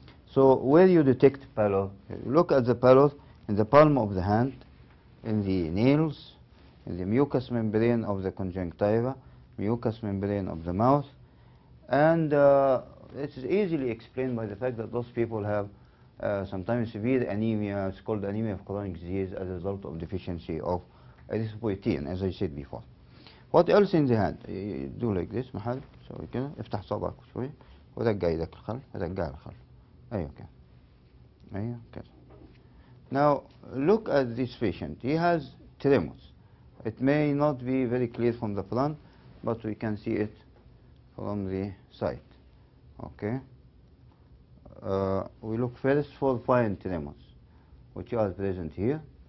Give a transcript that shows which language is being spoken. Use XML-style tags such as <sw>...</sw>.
<en>So where you detect pallor, look at the pallor in the palm of the hand, in the nails, in the mucous membrane of the conjunctiva, mucous membrane of the mouth, and it is easily explained by the fact that those people have sometimes severe anemia. It's called anemia of chronic disease as a result of deficiency of erythropoietin, as I said before. What else in the hand? You do like this,</en> <ar>محل.</ar> <en>So we can</en> <ar>افتح صباعك شوي ورجع يدك الخلف ورجع الخلف. أيوة كده.</ar> <en>Now, look at this patient. He has tremors. It may not be very clear from the front, but we can see it from the side. Okay. We look first for fine tremors, which are present here.</en>